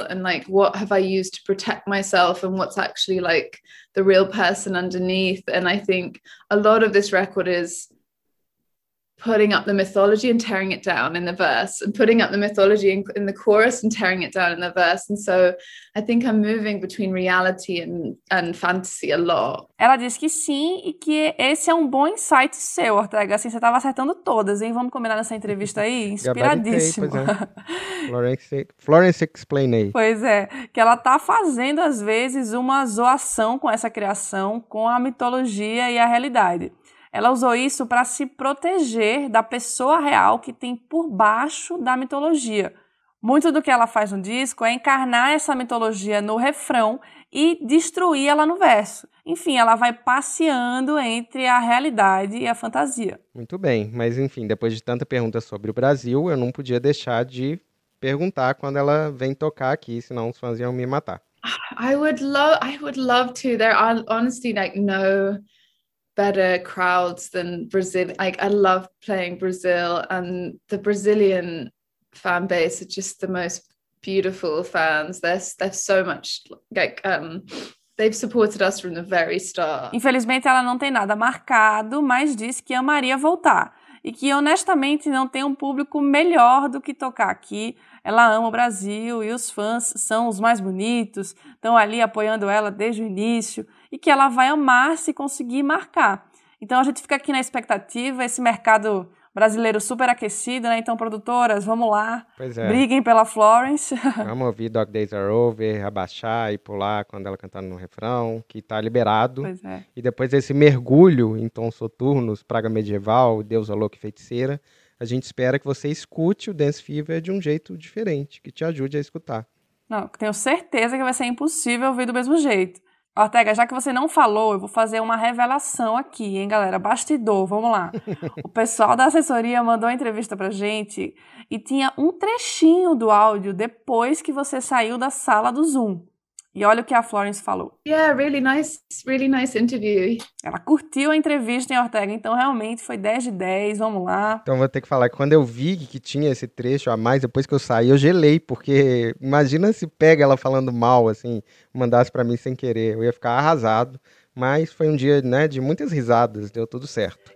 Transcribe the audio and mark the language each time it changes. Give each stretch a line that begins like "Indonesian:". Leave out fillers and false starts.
English: And like, what have I used to protect myself and what's actually like the real person underneath? And I think a lot of this record is putting up the mythology and tearing it down in the verse and putting up the mythology in the chorus and tearing it down in the verse. And so I think I'm moving between reality and fantasy a lot.
Portuguese: Ela disse que sim e que esse é um bom insight seu, Ortega. Assim, você estava acertando todas, hein? Vamos combinar nessa entrevista aí? Inspiradíssimo. Gabaritei, pois é. Florence explainei. Pois é, que ela está fazendo, às vezes, uma zoação com essa criação, com a mitologia e a realidade. Ela usou isso para se proteger da pessoa real que tem por baixo da mitologia. Muito do que ela faz no disco é encarnar essa mitologia no refrão e destruir ela no verso. Enfim, ela vai passeando entre a realidade e a fantasia. Muito bem, mas enfim, depois de tanta pergunta sobre o Brasil, eu não podia deixar de perguntar quando ela vem tocar aqui, senão os fãs iam me matar.
English: I would love to. There are honestly like no better crowds than Brazil. Like, I love playing Brazil, and the Brazilian fan base are just the most beautiful fans. They're so much like they've supported us from the very start.
Portuguese: Infelizmente, ela não tem nada marcado, mas disse que amaria voltar e que honestamente não tem um público melhor do que tocar aqui. Ela ama o Brasil e os fãs são os mais bonitos, estão ali apoiando ela desde o início e que ela vai amar se conseguir marcar. Então a gente fica aqui na expectativa, esse mercado brasileiro super aquecido, né? Então, produtoras, vamos lá. Pois é. Briguem pela Florence. Vamos ouvir Dog Days Are Over, abaixar e pular quando ela cantar no refrão, que tá liberado. Pois é. E depois desse mergulho em tons soturnos, praga medieval, deusa louca e feiticeira, a gente espera que você escute o Dance Fever de um jeito diferente, que te ajude a escutar. Não, tenho certeza que vai ser impossível ouvir do mesmo jeito. Ortega, já que você não falou, eu vou fazer uma revelação aqui, hein, galera? Bastidor, vamos lá. O pessoal da assessoria mandou a entrevista pra gente e tinha um trechinho do áudio depois que você saiu da sala do Zoom. E olha o que a Florence falou.
English: Yeah, really nice interview.
Portuguese: Ela curtiu a entrevista em Ortega, então realmente foi 10 de 10, vamos lá. Então vou ter que falar que quando eu vi que tinha esse trecho a mais, depois que eu saí, eu gelei, porque imagina se pega ela falando mal, assim, mandasse pra mim sem querer, eu ia ficar arrasado. Mas foi um dia, né, de muitas risadas, deu tudo certo.